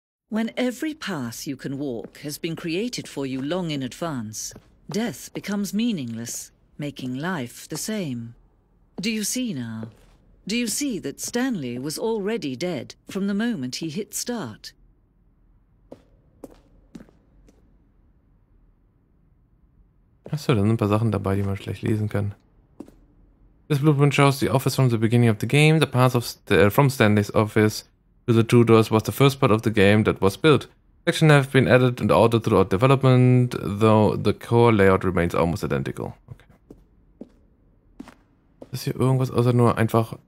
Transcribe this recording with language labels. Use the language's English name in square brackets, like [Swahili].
[English] When every path you can walk has been created for you long in advance, death becomes meaningless, making life the same. Do you see now? Do you see that Stanley was already dead from the moment he hit start? [German] Achso, da sind ein paar Sachen dabei, die man schlecht lesen kann. [English] This blueprint shows the office from the beginning of the game, the path of from Stanley's office to the two doors was the first part of the game that was built. Sections have been added and altered throughout development, though the core layout remains almost identical. [German] Okay. Ist hier irgendwas außer nur einfach...